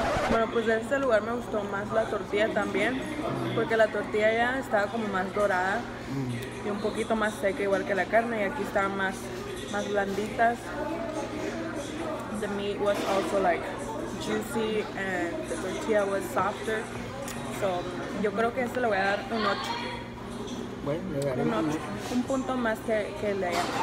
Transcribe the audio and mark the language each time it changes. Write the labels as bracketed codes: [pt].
[es] Bueno, pues de este lugar me gustó más la tortilla también, porque la tortilla ya estaba como más dorada y un poquito más seca igual que la carne, y aquí estaban más blanditas. [en] The meat was also like juicy and the tortilla was softer, so [es] yo creo que este le voy a dar un 8. Bueno, un punto más que el de allá.